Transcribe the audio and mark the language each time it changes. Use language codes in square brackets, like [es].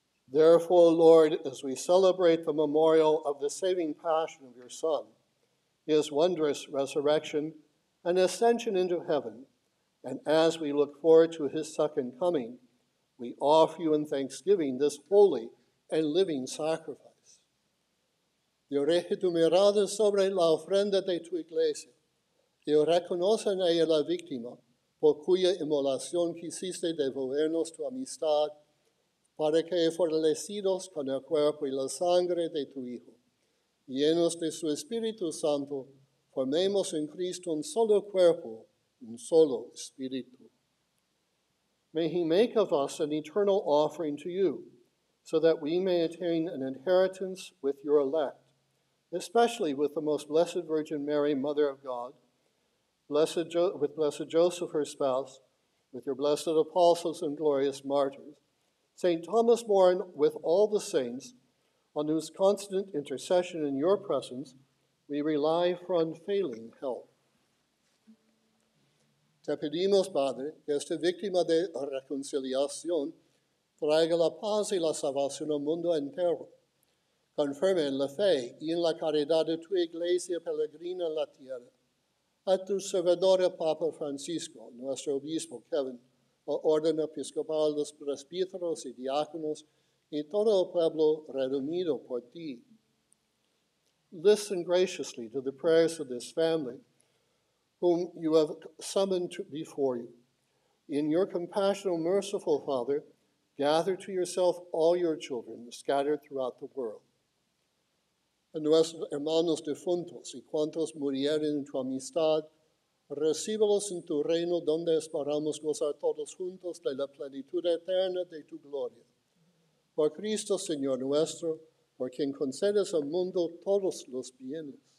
[en] Therefore, Lord, as we celebrate the memorial of the saving passion of your Son, his wondrous resurrection and ascension into heaven, and as we look forward to his second coming, we offer you in thanksgiving this holy and living sacrifice. [es] Dirige tu mirada sobre la ofrenda de tu iglesia, y reconoce en ella la víctima por cuya inmolación quisiste devolvernos tu amistad, para que fortalecidos con el cuerpo y la sangre de tu Hijo, llenos de su Espíritu Santo, formemos en Cristo un solo cuerpo, un solo Espíritu. [en] May he make of us an eternal offering to you, so that we may attain an inheritance with your elect, especially with the most blessed Virgin Mary, Mother of God, with blessed Joseph, her spouse, with your blessed apostles and glorious martyrs, St. Thomas More, and with all the saints, on whose constant intercession in your presence, we rely for unfailing help. [es] Te pedimos, Padre, que esta víctima de reconciliación traiga la paz y la salvación al mundo entero. Confirme en la fe y en la caridad de tu iglesia peregrina en la tierra. A tu servidor, el Papa Francisco, nuestro obispo Kevin, el orden episcopal de los presbíteros y diáconos, y todo el pueblo redimido por ti. [en] Listen graciously to the prayers of this family, whom you have summoned before you. In your compassionate, merciful Father, gather to yourself all your children scattered throughout the world. [es] A nuestros hermanos difuntos y cuantos murieron en tu amistad, recíbelos en tu reino donde esperamos gozar todos juntos de la plenitud eterna de tu gloria. Por Cristo, Señor nuestro, por quien concedes al mundo todos los bienes.